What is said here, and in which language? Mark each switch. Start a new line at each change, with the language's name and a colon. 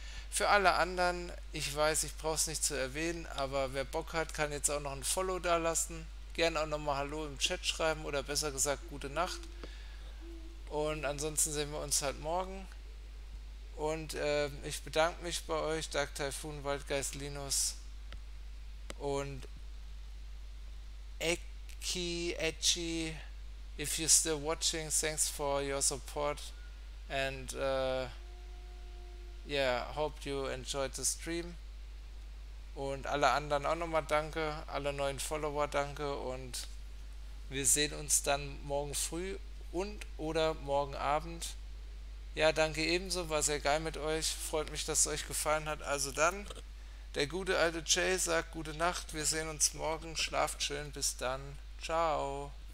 German: Für alle anderen, ich weiß, ich brauche es nicht zu erwähnen, aber wer Bock hat, kann jetzt auch noch ein Follow da lassen. Gerne auch nochmal Hallo im Chat schreiben oder besser gesagt, gute Nacht. Und ansonsten sehen wir uns halt morgen. Und ich bedanke mich bei euch, Dark Typhoon, Waldgeist, Linus und Ecchi.
English: If you're still watching, thanks for your support. And yeah, hope you enjoyed the stream.
German: Und alle anderen auch nochmal danke, alle neuen Follower danke und wir sehen uns dann morgen früh und oder morgen Abend. Ja, danke ebenso, war sehr geil mit euch. Freut mich, dass es euch gefallen hat. Also dann, der gute alte Jay sagt gute Nacht, wir sehen uns morgen, schlaft schön, bis dann, ciao.